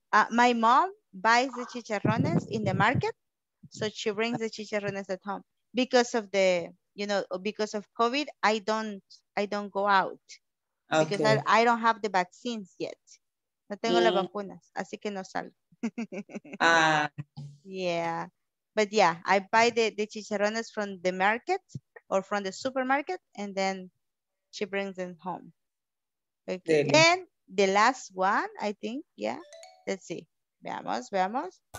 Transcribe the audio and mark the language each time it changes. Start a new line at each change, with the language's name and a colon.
English: My mom buys the chicharrones in the market, so she brings the chicharrones at home. Because of the, you know, because of COVID, I don't go out. Okay. Because I don't have the vaccines yet.
Spanish: No tengo las vacunas, así que no salgo.
English: Yeah. But yeah, I buy the chicharrones from the market or from the supermarket, and then she brings them home. Okay. Dele. And the last one, I think, yeah. Let's see. Veamos.